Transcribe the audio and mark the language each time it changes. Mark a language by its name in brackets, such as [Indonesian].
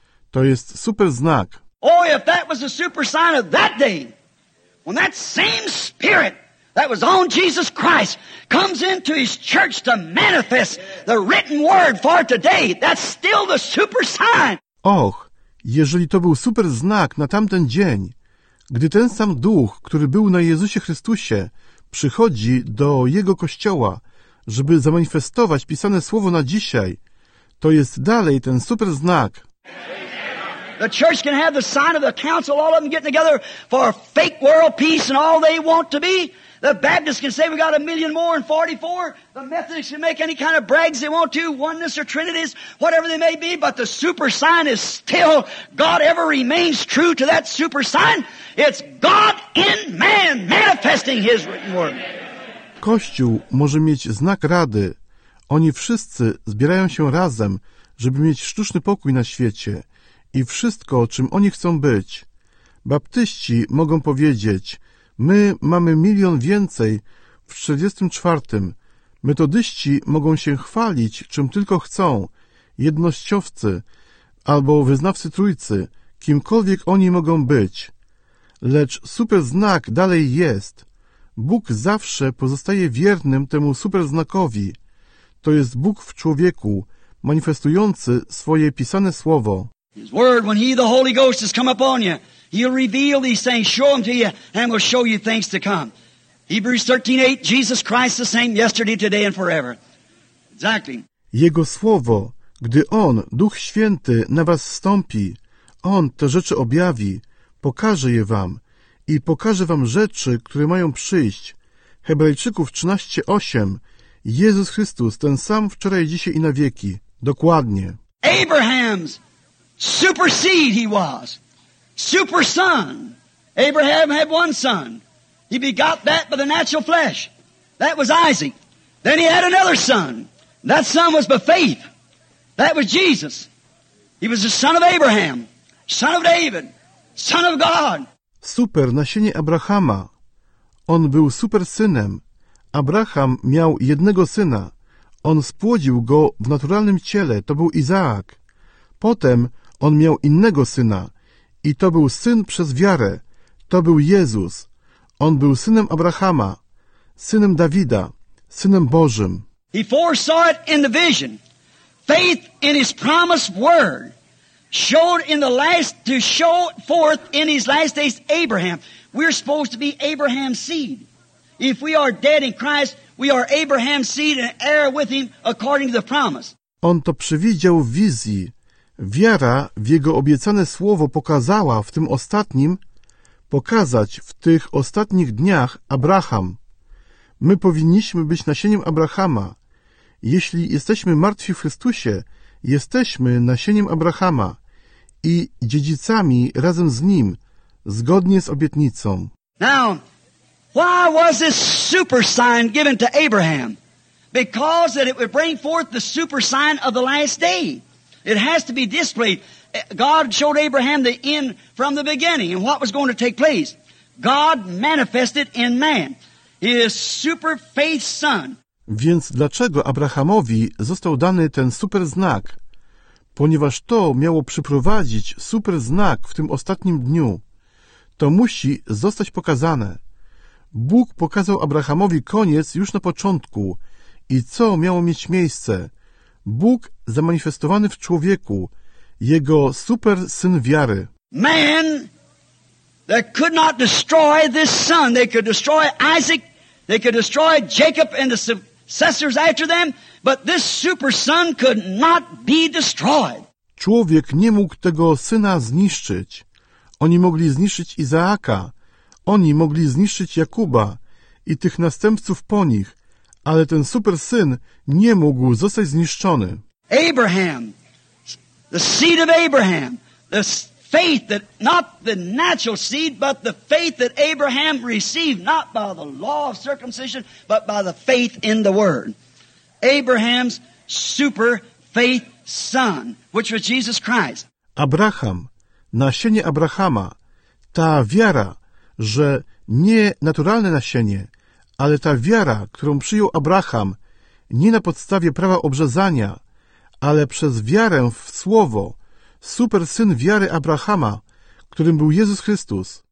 [Polish] To jest super znak. [English] Oh, if that was a super sign of that day, when that same Spirit that was on Jesus Christ comes into his church to manifest the written word for today. That's still the super sign. [Polish] Och, jeżeli to był super znak na tamten dzień, gdy ten sam duch, który był na Jezusie Chrystusie, przychodzi do jego kościoła, żeby zamanifestować pisane słowo na dzisiaj, to jest dalej ten super znak. [English] The church can have the sign of the council, all of them getting together for fake world peace and all they want to be. The Baptists can say we got a million more in 44. The Methodists can make any kind of brags they want to, oneness or trinities, whatever they may be, but the super sign is still, God ever remains true to that super sign. It's God in man manifesting his written word. [Polish] Kościół może mieć znak rady. Oni wszyscy zbierają się razem, żeby mieć sztuczny pokój na świecie i wszystko, czym oni chcą być. Baptyści mogą powiedzieć, my mamy milion więcej w 44. Metodyści mogą się chwalić, czym tylko chcą. Jednościowcy albo wyznawcy Trójcy, kimkolwiek oni mogą być. Lecz super znak dalej jest. Bóg zawsze pozostaje wiernym temu superznakowi. To jest Bóg w człowieku, manifestujący swoje pisane słowo. [English] His word, when he, the Holy Ghost, has come upon you, he'll reveal these things, show them to you, and will show you things to come. Hebrews 13:8, Jesus Christ the same yesterday, today and forever. Exactly. [Polish] Jego słowo, gdy On, Duch Święty, na was zstąpi, On te rzeczy objawi, pokaże je wam i pokaże wam rzeczy, które mają przyjść. Hebrajczyków 13:8, Jezus Chrystus, ten sam wczoraj, dzisiaj i na wieki. Dokładnie. [English] Abraham's super seed he was. Super son. Abraham had one son. He begot that by the natural flesh. That was Isaac. Then he had another son. That son was by faith. That was Jesus. He was the son of Abraham. Son of David. Son of God. [Polish] Super nasienie Abrahama. On był super synem. Abraham miał jednego syna. On spłodził go w naturalnym ciele. To był Izaak. Potem on miał innego syna i to był syn przez wiarę. To był Jezus. On był synem Abrahama, synem Dawida, synem Bożym. [English] He foresaw it in the vision. Faith in his promised word showed in the last to show forth in his last days Abraham. We're supposed to be Abraham's seed. If we are dead in Christ, we are Abraham's seed and heir with him according to the promise. [Polish] On to przewidział w wizji. Wiara w Jego obiecane słowo pokazała w tym ostatnim, pokazać w tych ostatnich dniach Abraham. My powinniśmy być nasieniem Abrahama. Jeśli jesteśmy martwi w Chrystusie, jesteśmy nasieniem Abrahama i dziedzicami razem z Nim, zgodnie z obietnicą. [English] Now, why was this super sign given to Abraham? Because that it would bring forth the super sign of the last day. It has to be displayed. God showed Abraham the end from the beginning and what was going to take place. God manifested in man. He is super faith son. [Polish] Więc dlaczego Abrahamowi został dany ten super znak? Ponieważ to miało przyprowadzić super znak w tym ostatnim dniu. To musi zostać pokazane. Bóg pokazał Abrahamowi koniec już na początku i co miało mieć miejsce. Bóg zamanifestowany w człowieku, jego super syn wiary. [English] Man that could not destroy this son. They could destroy Isaac, they could destroy Jacob and the successors after them, but this super son could not be destroyed. [Polish] Człowiek nie mógł tego syna zniszczyć. Oni mogli zniszczyć Izaaka, oni mogli zniszczyć Jakuba i tych następców po nich, ale ten super syn nie mógł zostać zniszczony. [English] Abraham, the seed of Abraham, the faith that, not the natural seed, but the faith that Abraham received, not by the law of circumcision, but by the faith in the word. Abraham's super faith son, which was Jesus Christ. [Polish] Abraham, nasienie Abrahama, ta wiara, że nie naturalne nasienie, ale ta wiara, którą przyjął Abraham, nie na podstawie prawa obrzezania, ale przez wiarę w Słowo, super syn wiary Abrahama, którym był Jezus Chrystus.